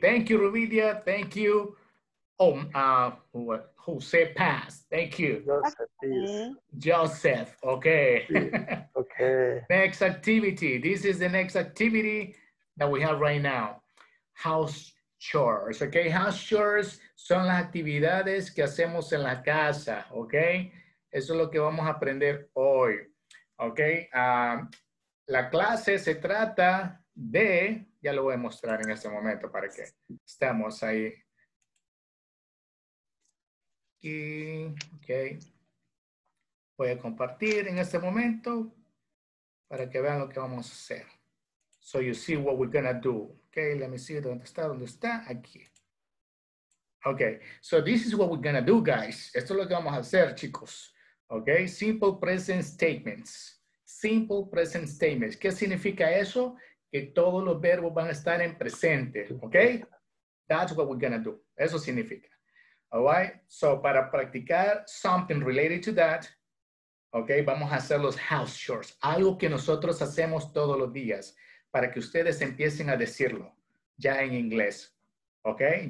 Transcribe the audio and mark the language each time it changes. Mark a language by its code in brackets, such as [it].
[en] Thank you, Ruvidia. Thank you. Jose Paz. Thank you. Joseph. Okay. Okay. Next activity. This is the next activity that we have right now. House chores. Okay. [es] House chores son las actividades que hacemos en la casa. Okay. Eso es lo que vamos a aprender hoy. Okay. La clase se trata de, ya lo voy a mostrar en este momento para que estemos ahí. Aquí, okay. Voy a compartir en este momento para que vean lo que vamos a hacer. [en] So you see what we're gonna do. Okay, let me see [es] dónde está, aquí. [en] Okay, so this is what we're gonna do, guys. [es] Esto es lo que vamos a hacer, chicos. [en] Okay, simple present statements. [es] ¿Qué significa eso? Que todos los verbos van a estar en presente, okay? [en] That's what we're gonna do. [es] Eso significa. All right, so para practicar [en] something related to that, [es] okay, vamos a hacer los house chores, algo que nosotros hacemos todos los días, para que ustedes empiecen a decirlo ya en inglés, okay?